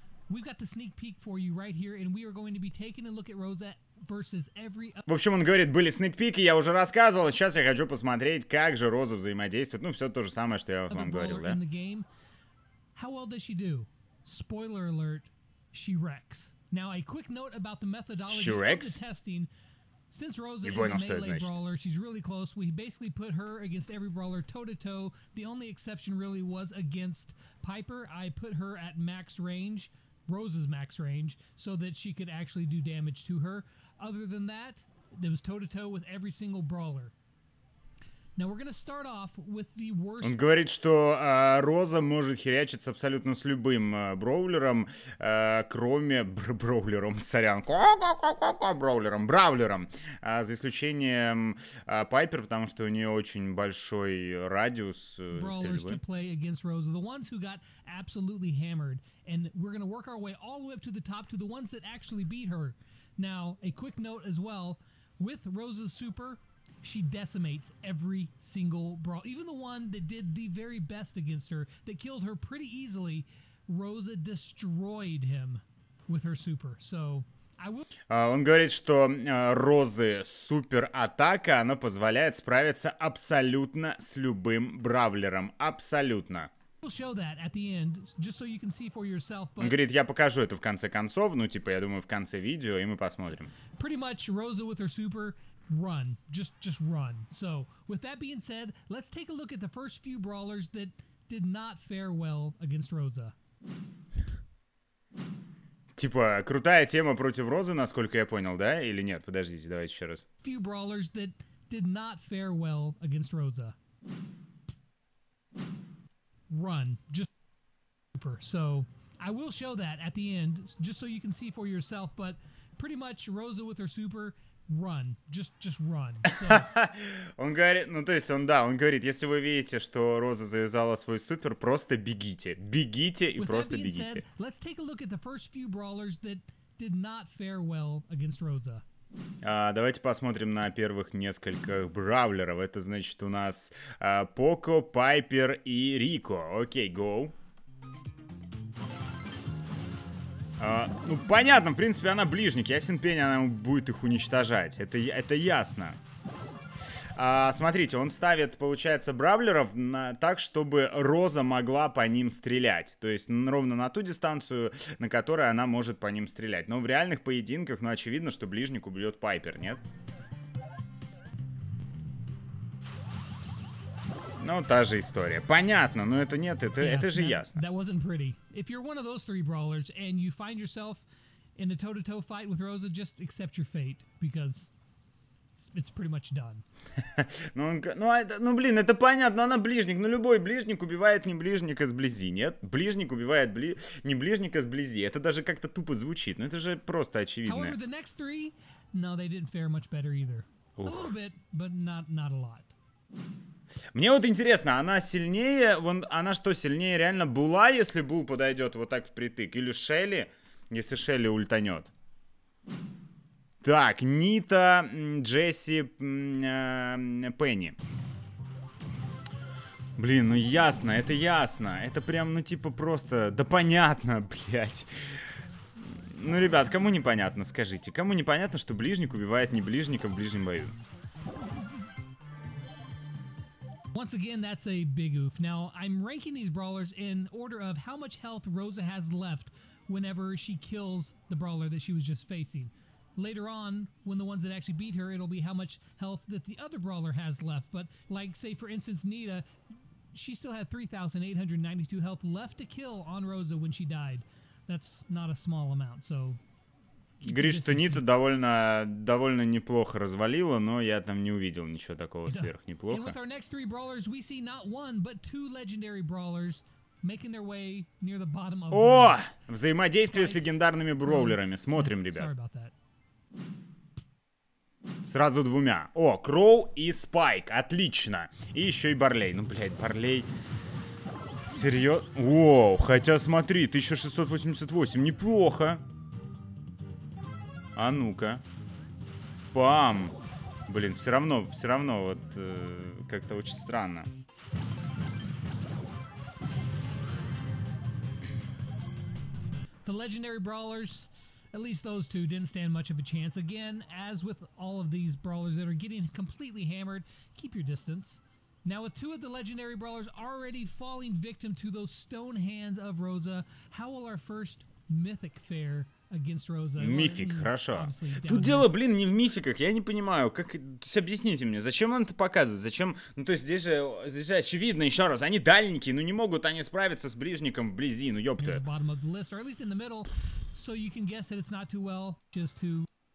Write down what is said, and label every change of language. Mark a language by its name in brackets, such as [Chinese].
[English] We've got the sneak peek for you right here, and we are going to be taking a look at Rosa versus every... [Russian] В общем, он говорит, были сникпики, я уже рассказывал, сейчас я хочу посмотреть, как же Роза взаимодействует. Ну, все то же самое, что я вам говорил, да? [English] In the game. How well does she do? Spoiler alert, she wrecks. Now, a quick note about the methodology she wrecks? Of the testing. Since Rosa is a melee brawler, she's really close. We basically put her against every brawler toe-to-toe. The only exception really was against Piper. I put her at max range. Rose's max range, so that she could actually do damage to her. Other than that, it was toe-to-toe with every single brawler. Now we're gonna start off with the worst. [Russian] Он говорит, что Роза может херячиться абсолютно с любым броулером, кроме броулером, сорян, броулером, бравлером, за исключением Пайпер, потому что у нее очень большой радиус стрельбы. [English] The ones who got absolutely hammered, and we're gonna work our way all the way up to the top to the ones that actually beat her. Now a quick note as well with Rose's super. She decimates every single brawl. Even the one that did the very best against her, that killed her pretty easily, Rosa destroyed him with her super. So... [Russian] Он говорит, что Розы суператака, она позволяет справиться абсолютно с любым бравлером. Абсолютно. Он говорит, я покажу это в конце концов, ну типа, я думаю, в конце видео, и мы посмотрим. [English] Pretty much Rosa with her super... Run, just run. So, with that being said, let's take a look at the first few brawlers that did not fare well against Rosa. [Russian] Типа, крутая тема против Розы, насколько я понял, да? Или нет? Подождите, давайте еще раз. [English] Few brawlers that did not fare well against Rosa. Run, just super. So, I will show that at the end, just so you can see for yourself, but pretty much Rosa with her super... Run, just run. So... [Russian] он говорит, ну то есть он, да, он говорит, если вы видите, что Роза завязала свой супер, просто бегите. Бегите и просто бегите. [English] Said, let's take a look at the first few brawlers that did not fare well against Rosa. [Russian] Давайте посмотрим на первых нескольких бравлеров. Это значит у нас Поко, Пайпер и Рико. Окей, go. Ну, понятно, в принципе, она ближник. Ясен пень, она будет их уничтожать. Это ясно. Смотрите, он ставит, получается, бравлеров на, так, чтобы Роза могла по ним стрелять. То есть, ровно на ту дистанцию, на которой она может по ним стрелять. Но в реальных поединках, ну, очевидно, что ближник убьет Пайпер, нет? Ну, та же история. Понятно, но это нет, это же ясно. [English] That wasn't pretty. If you're one of those three brawlers and you find yourself in a toe-to-toe fight with Rosa, just accept your fate, because it's pretty much done. [Russian] ну, блин, это понятно, она ближник, но любой ближник убивает не ближника сблизи, нет? Ближник убивает не ближника сблизи. Это даже как-то тупо звучит, но это же просто очевидно. [English] However, the next three, no, they didn't fare much better either. Ух. A little bit, but not a lot. [Russian] Мне вот интересно, она сильнее, вон, она что сильнее, реально Була, если Бул подойдет вот так впритык, или Шелли, если Шелли ультанет? Так, Нита, Джесси, Пенни. Блин, ну ясно. Это прям, ну типа просто, да понятно, блядь. Ну, ребят, кому непонятно, скажите. Кому непонятно, что ближник убивает не ближника в ближнем бою? [English] Once again, that's a big oof. Now, I'm ranking these brawlers in order of how much health Rosa has left whenever she kills the brawler that she was just facing. Later on, when the ones that actually beat her, it'll be how much health that the other brawler has left. But, like, say, for instance, Nita, she still had 3,892 health left to kill on Rosa when she died. That's not a small amount, so... [Russian] Гриш, что Нита довольно неплохо развалила, но я там не увидел ничего такого сверх неплохо. [English] And with our next three brawlers, we see not one, but two legendary brawlers making their way near the bottom of... О! [Russian] Взаимодействие с легендарными броулерами. Смотрим, ребят. [English] Sorry about that. [Russian] Сразу двумя. О, Кроу и Спайк. Отлично. И еще и Барлей. Ну, блядь, Барлей... Серьезно? Воу, хотя смотри, 1688. Неплохо. А ну-ка. Пам. Блин, все равно, вот, как-то очень странно. [English] The legendary brawlers, at least those two, didn't stand much of a chance. Again, as with all of these brawlers that are getting completely hammered, keep your distance. Now, with two of the legendary brawlers already falling victim to those stone hands of Rosa, how will our first mythic fare against Rosa? [Russian] Мифик, хорошо. Тут дело, блин, не в мификах. Я не понимаю, как... То есть, объясните мне, зачем он это показывает? Зачем... Ну, то есть, здесь же очевидно, еще раз, они дальники, ну, не могут они справиться с ближником вблизи, ну, ёпта. [English] At the bottom of the list, or at least in the middle, so you can guess that it's not too well, just to...